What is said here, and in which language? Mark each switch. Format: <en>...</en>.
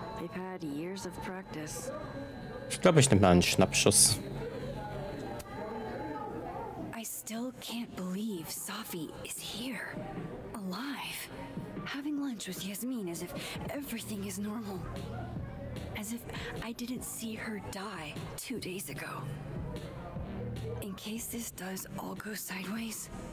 <en>They've had years of practice.</en> <de>Ich glaube, ich nehme mal einen Schnappschuss.</de> <en>I still can't believe Sophie is here. Alive. Having lunch with Yasmin as if everything is normal. As if I didn't see her die 2 days ago. In case this does all go sideways,</en>